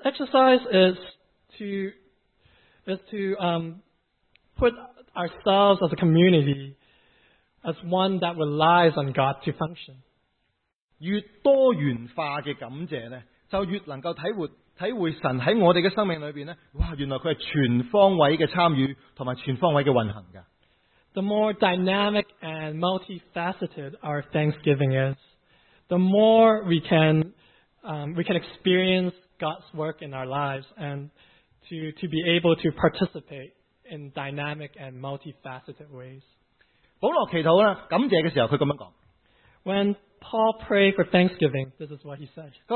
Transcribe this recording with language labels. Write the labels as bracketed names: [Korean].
[English] exercise is to put ourselves as a community as one that relies on God to function. [Chinese] 越多元化的感谢,就越能够体会 体会神在我们的生命里面,原来他是全方位的参与,和全方位的运行。 [English] The more dynamic and multifaceted our thanksgiving is, the more we can experience God's work in our lives and to be able to participate in dynamic and multifaceted ways. [Chinese] 保罗祈祷,感谢的时候,他这么说。 [English] When Paul prayed for thanksgiving, this is what he said.